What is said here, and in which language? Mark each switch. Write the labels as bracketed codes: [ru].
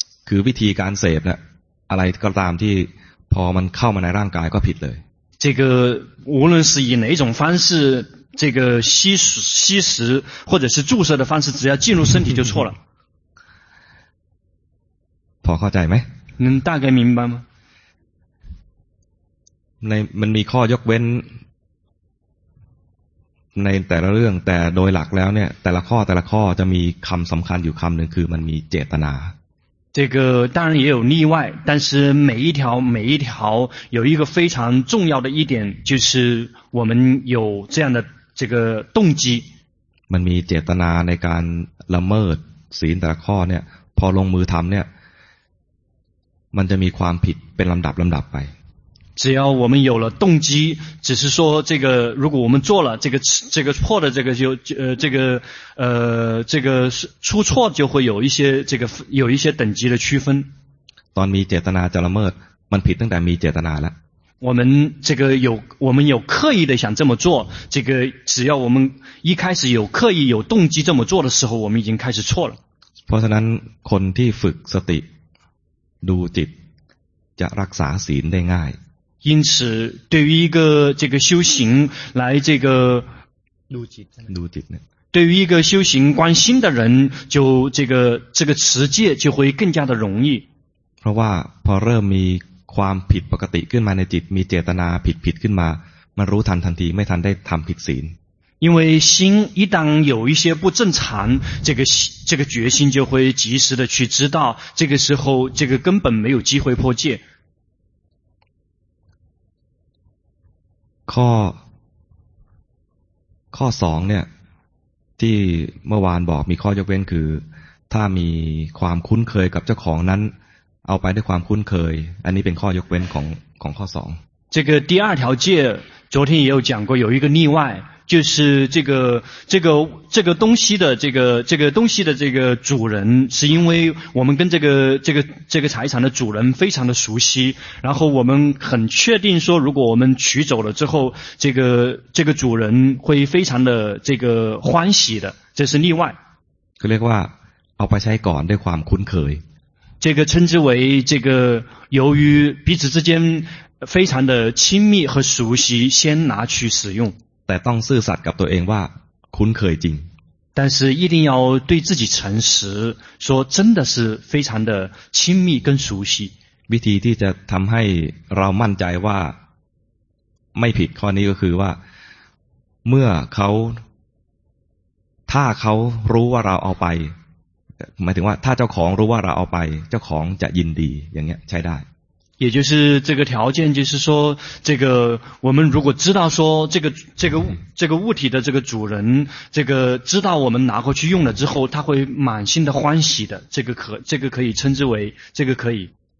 [th] คือวิธีการเสพนะอะไรก็ตามที่พอมันเข้ามาในร่างกายก็ผิดเลย [zh] 这个无论是以哪种方式这个吸食或者是注射的方式只要进入身体就错了 [th] พอเข้าใจไหม นั่นได้แก่ [zh] 明白吗 [th] ในมันมีข้อยกเว้นในแต่ละเรื่องแต่โดยหลักแล้วเนี่ยแต่ละข้อแต่ละข้อจะมีคำสำคัญอยู่คำหนึ่งคือมันมีเจตนา [zh] 这个当然也有例外但是每一条每一条有一个非常重要的一点就是我们有这样的这个动机 [th] มันมีเจตนาในการละเมิดศีลแต่ละข้อเนี่ยพอลงมือทำเนี่ยมันจะมีความผิดเป็นลำดับลำดับไป [zh] 只要我们有了动机只是说这个如果我们做了这个这个错的这个就这个这个出错就会有一些这个有一些等级的区分 [th] ตอนมีเจตนาจะละเมิดมันผิดตั้งแต่มีเจตนาแล้ว [zh] 我们这个有我们有刻意的想这么做这个只要我们一开始有刻意有动机这么做的时候我们已经开始错了 [th] เพราะฉะนั้นคนที่ฝึกสติดูจิตจะรักษาศีลได้ง่าย [zh] 因此对于一个这个修行来这个对于一个修行观心的人就这个这个持戒就会更加的容易 [th] เพราะว่าพอเริ่มมีความผิดปกติขึ้นมาในจิตมีเจตนาผิดขึ้นมามันรู้ทันทันทีไม่ทันได้ทำผิดศีล [zh] 因为心一旦有一些不正常这个决心就会及时的去知道这个时候这个根本没有机会破戒 [th] ข้อสองเนี่ยที่เมื่อวานบอกมีข้อยกเว้นคือถ้ามีความคุ้นเคยกับเจ้าของนั้นเอาไปด้วยความคุ้นเคยอันนี้เป็นข้อยกเว้นของข้อสอง [zh] 这个第二条戒昨天也有讲过有一个例外就是这个东西的这个东西的这个主人是因为我们跟这个财产的主人非常的熟悉然后我们很确定说如果我们取走了之后这个主人会非常的这个欢喜的这是例外 [th] เรียกว่าเอาไปใช้ก่อนด้วยความคุ้นเคย [zh] 这个称之为这个由于彼此之间非常的亲密和熟悉先拿去使用 [th] แต่ต้องซื่อสัตย์กับตัวเองว่าคุ้นเคยจริง [zh] 但是一定要对自己诚实说真的是非常的亲密跟熟悉 [th] วิธีที่จะทำให้เรามั่นใจว่าไม่ผิดข้อนี้ก็คือว่าเมื่อเขาถ้าเขารู้ว่าเราเอาไปหมายถึงว่าถ้าเจ้าของรู้ว่าเราเอาไปเจ้าของจะยินดีอย่างเงี้ยใช้ได้ [zh] 也就是这个条件就是说这个我们如果知道说这个物体的这个主人这个知道我们拿过去用了之后他会满心的欢喜的这个可以称之为这个可以